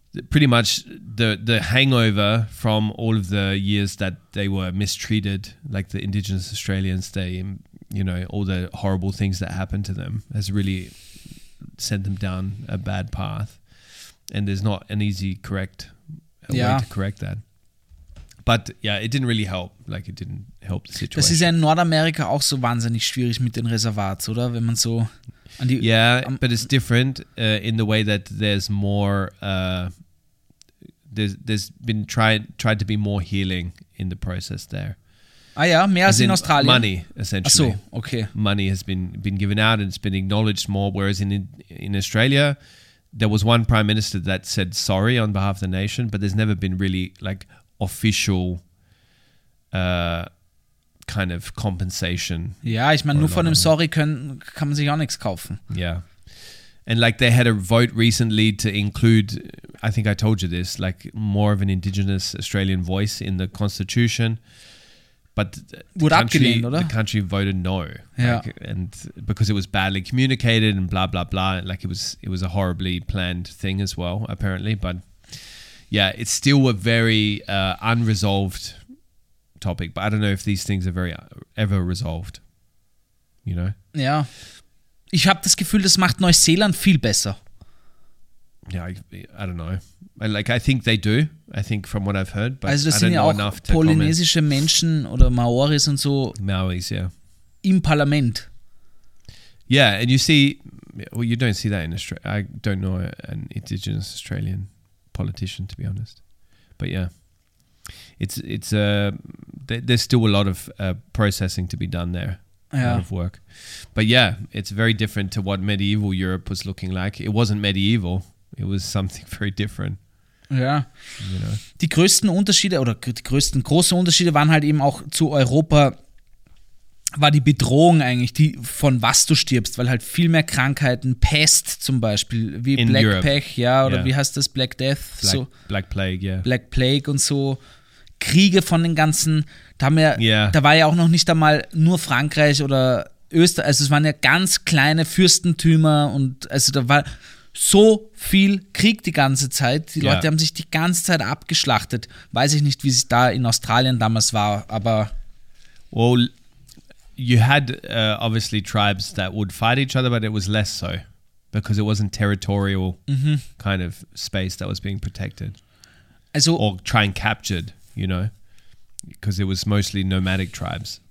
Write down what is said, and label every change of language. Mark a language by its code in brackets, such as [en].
[en] pretty much the hangover from all of the years that they were mistreated, like the Indigenous Australians, they, you know, all the horrible things that happened to them has really sent them down a bad path. And there's not an easy way to correct that. But yeah, it didn't really help. Like, it didn't help the situation. [de] Das ist ja in Nordamerika auch so wahnsinnig schwierig mit den Reservats, oder? Wenn man so an die [en] but it's different in the way that there's more... there's been tried to be more healing in the process there. [de] Ah ja, mehr as in Australien. [en] Money, essentially. [de] Ach so, okay. [en] Money has been given out and it's been acknowledged more, whereas in Australia... There was one prime minister that said sorry on behalf of the nation, but there's never been really like official kind of compensation. [de] Yeah, ich meine, nur von dem sorry kann man sich auch nichts kaufen. [en] Yeah. And like they had a vote recently to include, I think I told you this, like more of an Indigenous Australian voice in the constitution. But the country voted no, yeah. And because it was badly communicated and blah blah blah, like it was a horribly planned thing as well, apparently. But yeah, it's still a very unresolved topic. But I don't know if these things are ever resolved, you know? [de] Yeah, ich habe das Gefühl, das macht Neuseeland viel besser. [en] Yeah, I don't know. Like, I think they do. I think from what I've heard, but also, I don't know enough to comment. [de] Also, das sind ja auch polynesische Menschen oder Maoris und so. [en] Maoris, yeah. [de] Im Parlament. [en] Yeah, and you see, well, you don't see that in Australia. I don't know an Indigenous Australian politician, to be honest. But yeah, there's still a lot of processing to be done there. Yeah. A lot of work. But yeah, it's very different to what medieval Europe was looking like. It wasn't medieval. It was something very different. [de] Ja. [en] You know. [de] Die größten Unterschiede oder die größten großen Unterschiede waren halt eben auch zu Europa, war die Bedrohung eigentlich, die von was du stirbst, weil halt viel mehr Krankheiten, Pest zum Beispiel, wie [en] in Black Europe. [de] Pech, ja, oder yeah. Wie heißt das, [en] Black Death? Black, [de] so. [en] Black Plague, ja. Yeah. [de] Black Plague und so. Kriege von den ganzen, da haben wir, [en] yeah. [de] Da war ja auch noch nicht einmal nur Frankreich oder Österreich, also es waren ja ganz kleine Fürstentümer und also da war... So viel Krieg die ganze Zeit. Die Leute haben sich die ganze Zeit abgeschlachtet. Weiß ich nicht, wie es da in Australien damals war, aber... [en] Well, you had obviously tribes that would fight each other, but it was less so. Because it wasn't territorial kind of space that was being protected. Also, or trying captured, you know. Because it was mostly nomadic tribes.